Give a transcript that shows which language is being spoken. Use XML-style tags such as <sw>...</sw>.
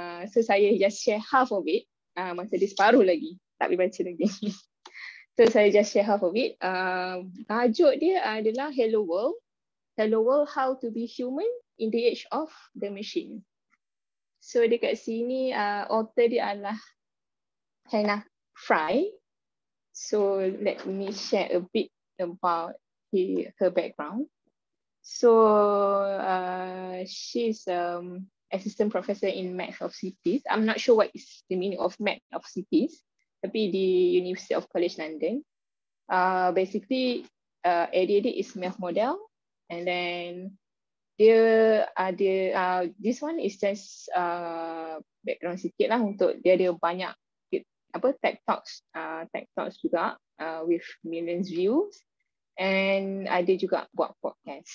<ms>So saya</ms> <en>just share half of it.</en> <ms>Masa dia separuh lagi. Tak boleh baca lagi.</ms> <en>So saya just share half of it.</en> <ms>Tajuk dia adalah Hello World. Hello World, How to Be Human in the Age of the Machine. So dekat sini author dia adalah Hannah Fry.</ms> <en>So let me share a bit about her background. So she's assistant professor in math of cities. I'm not sure what is the meaning of math of cities, tapi di University of College London. Basically ADD is math model, and then this one is just background</en> <ms>sikit lah. Untuk dia ada banyak apa TED Talks juga</ms> <en>with millions views.</en> <ms>And ada juga buat podcast.</ms>